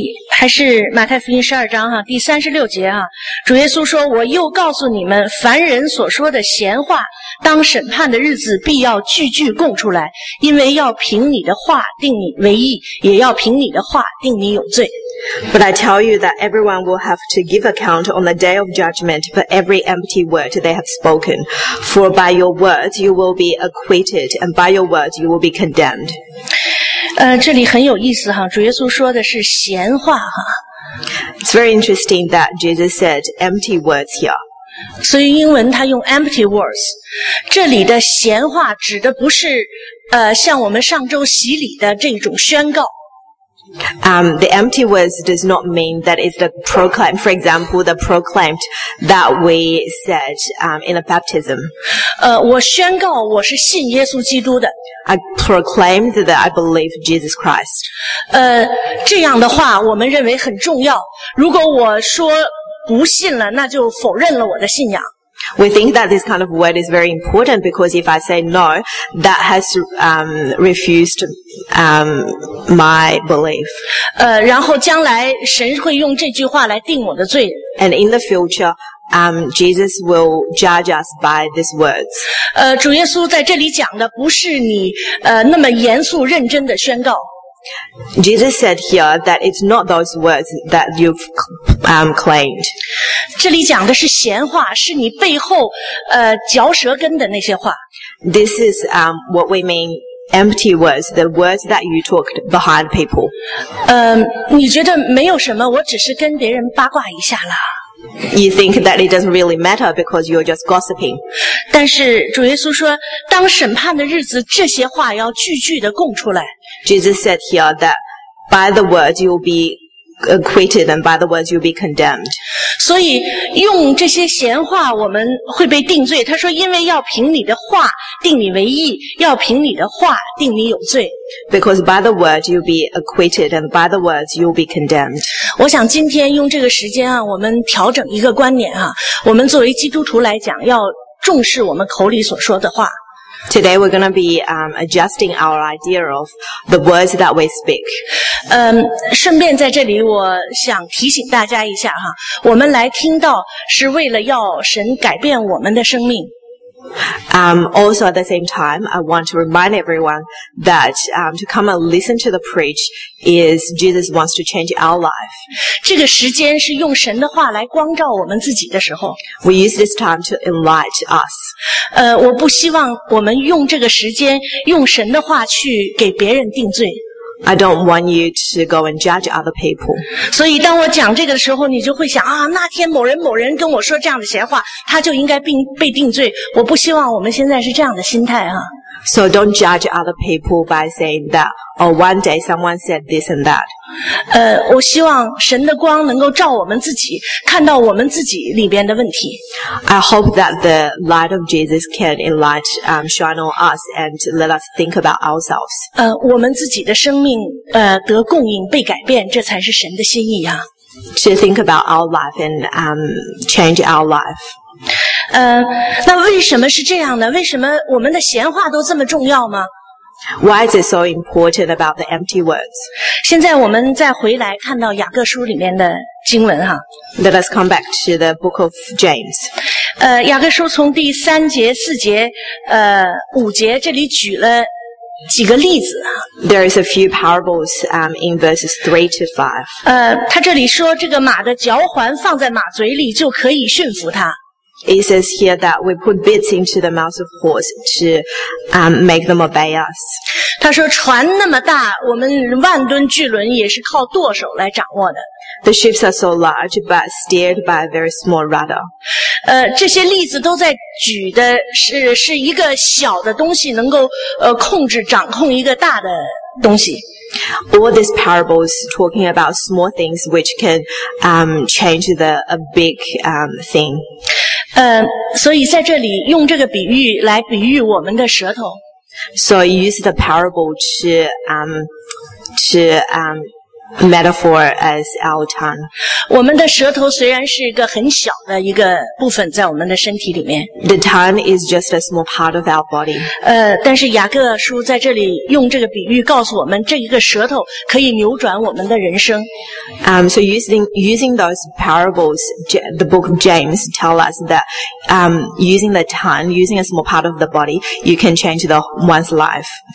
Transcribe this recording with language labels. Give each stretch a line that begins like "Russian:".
Chinese: 还是马太福音十二章第三十六节主耶稣说，我又告诉你们，凡人所说的闲话，当审判的日子必要句句供出来，因为要凭你的话定你为义，也要凭你的话定你有罪。
English: But I tell you that everyone will have to give account on the day of judgment for every empty word they have spoken. For by your words you will be acquitted, and by your words you will be condemned.
Chinese: 这里很有意思主耶稣说的是闲话
English: It's very interesting that Jesus said empty words here.
Chinese: 所以英文他用 empty words. 这里的闲话指的不是像我们上周洗礼的这种宣告。
English: The empty words does not mean that it's the proclaim, for example, the proclaimed that we said in a baptism.
Chinese: 我宣告我是信耶稣基督的。
English: I proclaimed that I believe Jesus Christ.
Chinese: 这样的话我们认为很重要。如果我说不信了，那就否认了我的信仰。
English: We think that this kind of word is very important because if I say no, that has refused my belief.
Chinese: 然后将来神会用这句话来定我的罪。
English: And in the future, Jesus will judge us by these words.
Chinese: 主耶稣在这里讲的不是你那么严肃认真的宣告。
English: Jesus said here that it's not those words that you've claimed.
Chinese: 这里讲的是闲话，是你背后嚼舌根的那些话。
English: This is what we mean empty words, the words that you talked behind people.
Chinese: 你觉得没有什么，我只是跟别人八卦一下啦。
English: You think that it doesn't really matter because you're just gossiping.
Chinese: 但是主耶稣说，当审判的日子，这些话要句句的供出来。
English: Jesus said here that by the words you'll be acquitted and by the words you'll be condemned.
Chinese: 所以用这些闲话我们会被定罪。他说，因为要凭你的话定你为义，要凭你的话定你有罪。
English: Because by the words you'll be acquitted and by the words you'll be condemned.
Chinese: 我想今天用这个时间我们调整一个观念我们作为基督徒来讲，要重视我们口里所说的话。
English: Today we're going to be adjusting our idea of the words that we speak.
Chinese: 顺便在这里我想提醒大家一下我们来听道是为了要神改变我们的生命。
English: Also at the same time, I want to remind everyone that to come and listen to the preach is Jesus wants to change our life.
Chinese: 这个时间是用神的话来光照我们自己的时候。
English: We use this time to enlighten us.
Chinese: 我不希望我们用这个时间用神的话去给别人定罪。
English: I don't want you to go and judge other people.
Chinese: 所以当我讲这个的时候，你就会想那天某人某人跟我说这样的闲话，他就应该被定罪。我不希望我们现在是这样的心态。
English: So don't judge other people by saying that, or one day someone said this and that.
Chinese: 我希望神的光能够照我们自己，看到我们自己里边的问题。
English: I hope that the light of Jesus can enlighten, shine on us and let us think about ourselves.
Chinese: 我们自己的生命得供应被改变，这才是神的心意
English: To think about our life and change our life.
Chinese: 那为什么是这样呢？为什么我们的闲话都这么重要吗？
English: Why is it so important about the empty words?
Chinese: 现在我们再回来看到雅各书里面的经文哈。
English: Let us come back to the book of James.
Chinese: 雅各书从第三节、四节、五节这里举了几个例子啊。
English: There is a few parables, in verses 3 to 5.
Chinese: 他这里说这个马的嚼环放在马嘴里就可以驯服它。
English: It says here that we put bits into the mouth of horse to, make them obey us.
Chinese: 他说船那么大，我们万吨巨轮也是靠舵手来掌握的。
English: The ships are so large, but steered by a very small rudder.
Chinese: 这些例子都在举的是一个小的东西能够控制掌控一个大的东西。
English: All these parables talking about small things which can, change a big, thing.
Chinese: 所以在这里用这个比喻来比喻我们的舌头。
English: So use the parable to metaphor as our tongue.
Chinese: 我们的舌头虽然是一个很小的一个部分在我们的身体里面。
English: The tongue is just a small part of our body.
Chinese: 但是雅各书在这里用这个比喻告诉我们这一个舌头可以扭转我们的人生。
English: So using those parables, the book of James tell us that, using the tongue, using a small part of the body, you can change the one's life.